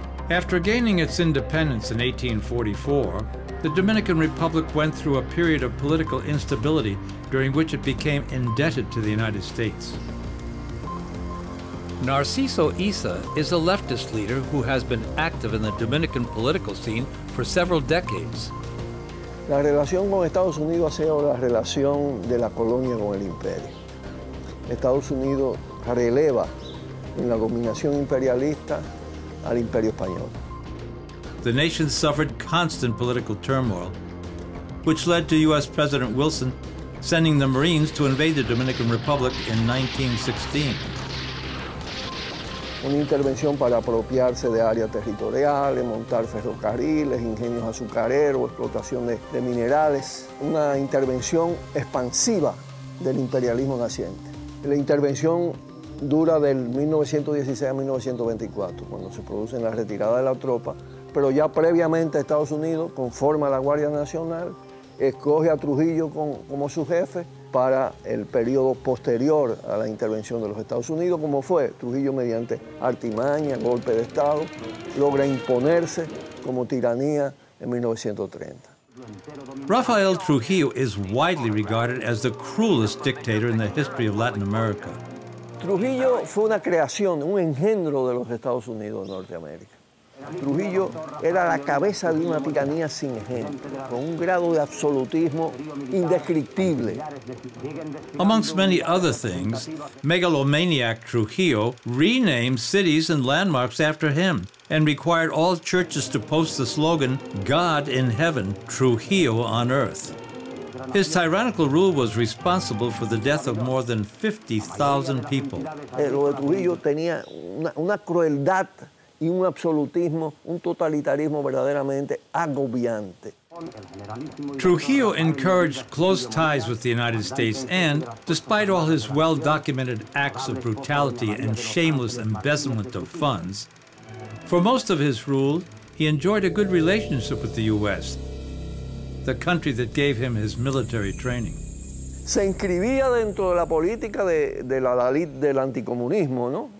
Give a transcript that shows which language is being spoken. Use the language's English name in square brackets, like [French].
[English] After gaining its independence in 1844, the Dominican Republic went through a period of political instability during which it became indebted to the United States. Narciso Issa is a leftist leader who has been active in the Dominican political scene for several decades. [Spanish] La relación con Estados Unidos ha sido la relación de la colonia con el imperio. Estados Unidos releva en la dominación imperialista al imperio español. [English] The nation suffered constant political turmoil, which led to U.S. President Wilson sending the Marines to invade the Dominican Republic in 1916. [Spanish] Una intervención para apropiarse de áreas territoriales, montar ferrocarriles, ingenios azucareros, explotación de minerales. Una intervención expansiva del imperialismo naciente. La intervención dura del 1916 a 1924, cuando se produce la retirada de la tropa, pero ya previamente Estados Unidos conforma la Guardia Nacional, escoge a Trujillo como su jefe, para el periodo posterior a la intervención de los Estados Unidos, como fue Trujillo mediante artimaña, golpe de Estado, logra imponerse como tiranía en 1930. [English] Rafael Trujillo is widely regarded as the cruelest dictator in the history of Latin America. [Spanish] Trujillo fue una creación, un engendro de los Estados Unidos de Norteamérica. Trujillo era la cabeza de una tiranía sin ejemplo, con un grado de absolutismo indescriptible. [English] Amongst many other things, megalomaniac Trujillo renamed cities and landmarks after him and required all churches to post the slogan, God in heaven, Trujillo on earth. His tyrannical rule was responsible for the death of more than 50,000 people. [Spanish] Lo de Trujillo tenía una crueldad y un absolutismo, un totalitarismo verdaderamente agobiante. [English] Trujillo encouraged close ties with the United States and, despite all his well-documented acts of brutality and shameless embezzlement of funds, for most of his rule, he enjoyed a good relationship with the U.S., the country that gave him his military training. [Spanish] Se inscribía dentro de la política de la Dalit del anticomunismo, ¿no?